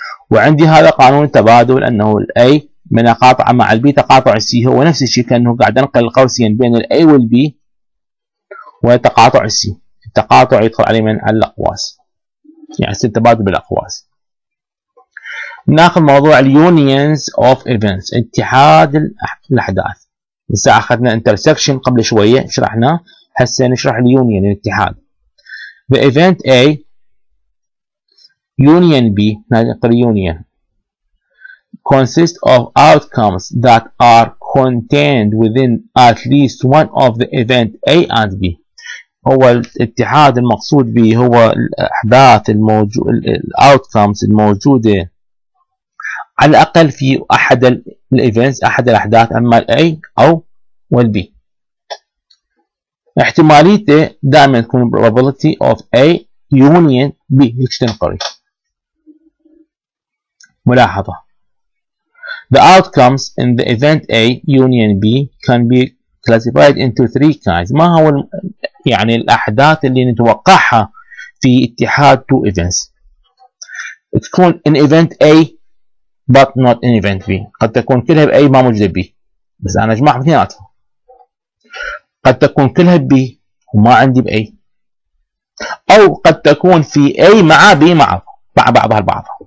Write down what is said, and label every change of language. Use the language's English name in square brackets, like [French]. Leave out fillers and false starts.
[Arabic] وعندي هذا قانون التبادل انه الاي من اقاطع مع البي تقاطع السي، هو نفس الشيء كانه قاعد انقل قوسين بين الاي والبي وتقاطع السي، التقاطع يدخل عليه من الاقواس يعني يصير تبادل بالاقواس. ناخذ موضوع [English] unions of events، [Arabic] اتحاد الاحداث. هسه اخذنا intersection قبل شويه شرحناه، هسه نشرح union الاتحاد. [English] The event A union B نقل union consists of outcomes that are contained within at least one of the event A and B. [Arabic] هو الاتحاد المقصود به هو الاحداث الموجود الاوتكمز الموجوده على الاقل في احد الايفنتس احد الاحداث اما الاي او والبي. احتماليته دائما تكون [English] probability of A union B [Arabic] ايش تنقري. [English] ملاحظه the outcomes in the event A union B can be classified into three kinds. [Arabic] ما هو يعني الأحداث اللي نتوقعها في اتحاد two events؟ تكون [English] in event A but not in event B. [Arabic] قد تكون كلها بA ما موجودة بB بس أنا أجمع اثنيناتهم. قد تكون كلها بB وما عندي بA، أو قد تكون في A مع B مع بعضها البعض.